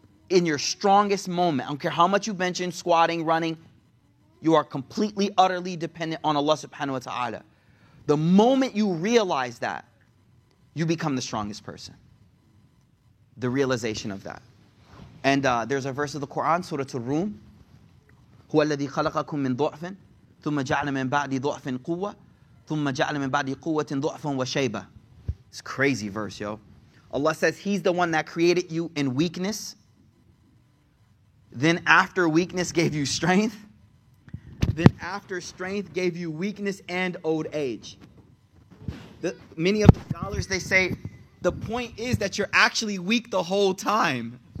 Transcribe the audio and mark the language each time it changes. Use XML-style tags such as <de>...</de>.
<en>In your strongest moment, I don't care how much you bench in squatting, running, you are completely, utterly dependent on Allah subhanahu wa ta'ala. The moment you realize that, you become the strongest person. The realization of that. And there's a verse of the Quran, Surah Al-Rum.</en> <ar>هو الذي خلقكم من ضعف ثم جعل من بعد ضعف قوة ثم جعل من بعد قوة ضعف وشيبة.</ar> <en>It's a crazy verse, yo. Allah says, He's the one that created you in weakness. Then after weakness gave you strength. Then after strength gave you weakness and old age. Many of the scholars, they say, the point is that you're actually weak the whole time.</en>